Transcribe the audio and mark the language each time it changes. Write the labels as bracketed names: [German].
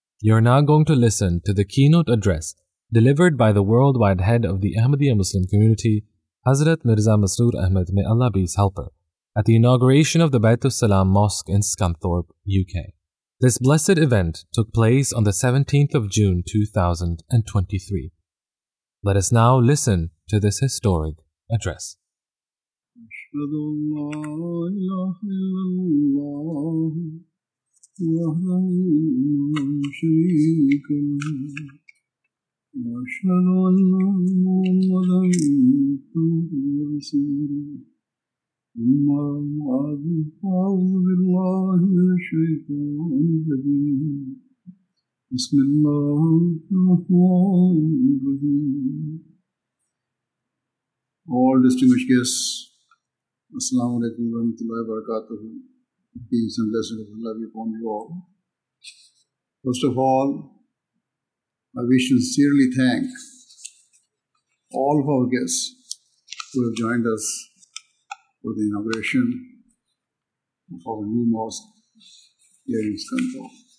[English] You're now going to listen to the keynote address delivered by the worldwide head of the Ahmadiyya Muslim community, Hazrat Mirza Masroor Ahmad, may Allah be his helper, at the inauguration of the Baitus Salaam Mosque in Scunthorpe, UK. This blessed event took place on the 17th of June 2023. Let us now listen to this historic address. [Arabic] أشهد أن لا إله إلا الله وحده لا شريك له وأشهد أن محمدا عبده ورسوله أما بعد فأعوذ بالله من الشيطان الرجيم بسم الله الرحمن الرحيم [English] All distinguished guests, Assalamu alaikum wa rahmatullahi wa barakatuhu. Peace and blessings of Allah be upon you all. First of all, I wish to sincerely thank all of our guests who have joined us for the inauguration of our new mosque here in Scunthorpe.